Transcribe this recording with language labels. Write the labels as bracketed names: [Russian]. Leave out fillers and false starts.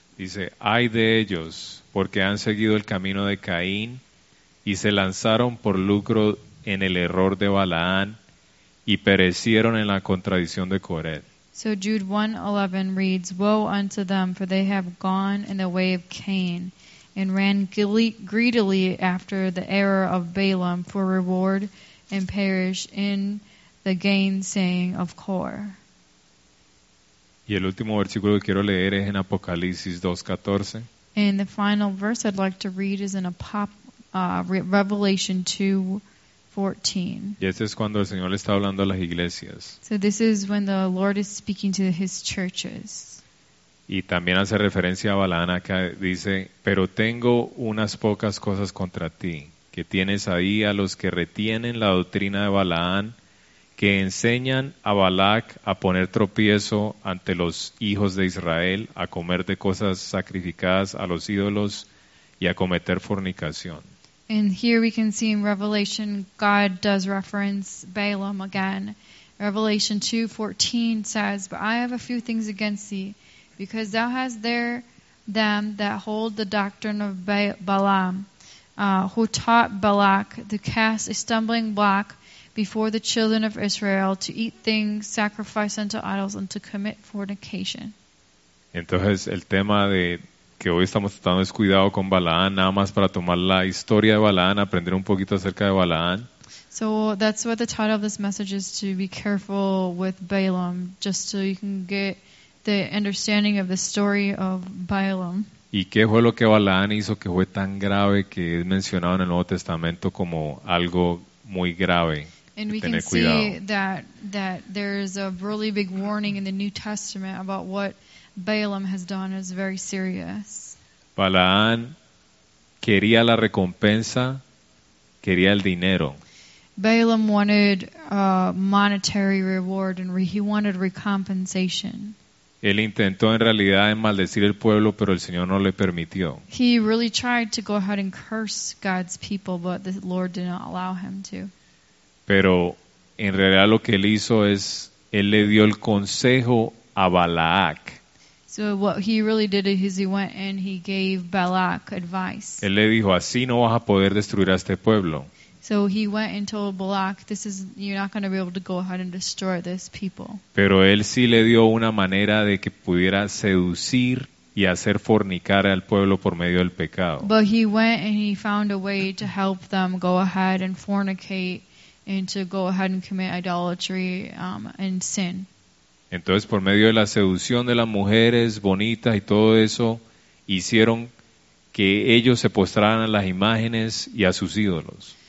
[Spanish] Dice, ay de ellos, porque han seguido el camino de Caín y se lanzaron por lucro en el error de Balaán y perecieron en la contradicción de Coret. [English] So Jude 1:11 reads, woe unto them, for they have gone in the way of Cain and ran greedily after the error of Balaam for reward and perish in the gainsaying of Kor. [Spanish] Y el último versículo que quiero leer es en Apocalipsis 2:14. [English] And the final verse I'd like to read is in Revelation 2:14. [Spanish] Y este es cuando el Señor le está hablando a las iglesias. [English] So this is when the Lord is speaking to his churches. [Spanish] Y también hace referencia a Balaán acá, dice, pero tengo unas pocas cosas contra ti, que tienes ahí a los que retienen la doctrina de Balaán, que enseñan a Balac a poner tropiezo ante los hijos de Israel, a comer de cosas sacrificadas a los ídolos y a cometer fornicación. [English] And here we can see in Revelation, God does reference Balaam again. Revelation 2:14 says, but I have a few things against thee, because thou hast there them that hold the doctrine of Balaam, who taught Balac to cast a stumbling block before the children of Israel, to eat things sacrificed unto idols and to commit fornication. [Spanish] Entonces, el tema de que hoy estamos tratando es cuidado con Balaán, nada más para tomar la historia de Balaán, aprender un poquito acerca de Balaán. [English] So that's what the title of this message is, to be careful with Balaam, just so you can get the understanding of the story of Balaam. [Spanish] ¿Y qué fue lo que Balaán hizo que fue tan grave que es mencionado en el Nuevo Testamento como algo muy grave? [English] And we can see that there's a really big warning in the New Testament about what Balaam has done is very serious. [Spanish] Balaán quería la recompensa, quería el dinero. [English] Balaam wanted a monetary reward and he wanted recompensation. [Spanish] Él intentó en realidad maldecir el pueblo, pero el Señor no le permitió. [English] He really tried to go ahead and curse God's people, but the Lord did not allow him to. [Spanish] Pero en realidad lo que él hizo es, él le dio el consejo a Balaac. [English] So what he really did is he went and he gave Balaac advice. [Spanish] Él le dijo, así no vas a poder destruir a este pueblo. [English] So he went and told Balaam, you're not going to be able to go ahead and destroy this people. [Spanish] Pero él sí le dio una manera de que pudiera seducir y hacer fornicar al pueblo por medio del pecado. [English] But he went and he found a way to help them go ahead and fornicate and to go ahead and commit idolatry and sin. [Spanish] Entonces, por medio de la seducción de las mujeres bonitas y todo eso, hicieron que ellos se postraran a las imágenes y a sus ídolos.